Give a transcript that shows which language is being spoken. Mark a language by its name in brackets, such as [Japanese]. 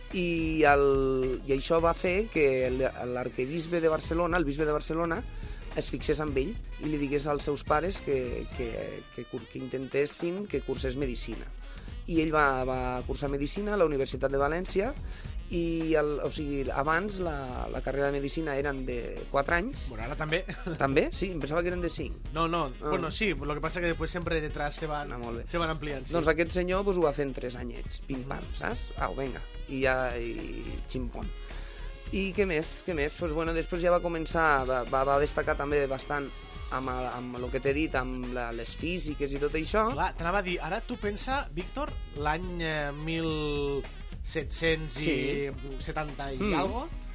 [Catalan] I això va fer que l'arquebisbe de Barcelona, el bisbe de Barcelona, es fixés amb ell i li digués als seus pares que intentessin que cursés medicina. I ell va cursar medicina a la Universitat de València. I abans la carrera de medicina eren de 4 anys. Bueno, ara també. També? Sí, em pensava que eren de 5. No. [Spanish] Bueno, sí, lo que pasa que después sempre detrás se van ampliant. Sí. [Catalan] Doncs aquest senyor pues, ho va fer en 3 anyets. Pim-pam, saps? Au, venga. I ja... I ximpon. I què més? Què més? Pues, bueno, després ja va començar... Va destacar també bastant amb el que t'he dit, amb les físiques i tot això. Clar, t'anava a dir, ara tu pensa, Víctor, l'any 1770 i algo.